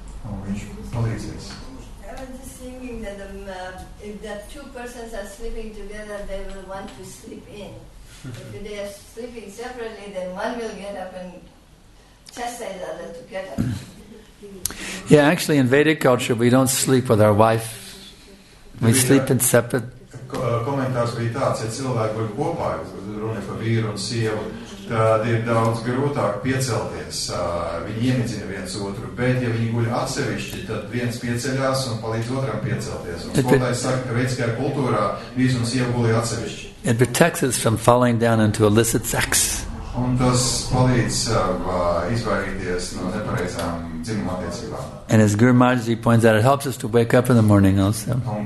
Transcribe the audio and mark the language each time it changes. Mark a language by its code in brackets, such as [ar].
[en] I was just thinking that if the two persons are sleeping together, they will want to sleep in. If they are sleeping separately, then one will get up and chastise the other together. Yeah, actually in Vedic culture, we don't sleep with our wife. We sleep in separate. [lv] Komentārs bija tāds, ja cilvēki guļ kopā, runa par vīru un sievu, tad ir daudz grūtāk piecelties. Viņi iemidzina viens otru, bet ja viņi guļ atsevišķi, tad viens pieceļās un palīdz otram piecelties. Un skolotājs saka, ka veidskajā kultūrā vīrs un sievu guļ atsevišķi. [en] It protects us from falling down into illicit sex. [lv] Un tas palīdz izvairīties no nepareizām dzimuma attiecībām. [en] And as Guru Mataji points out, it helps us to wake up in the morning also.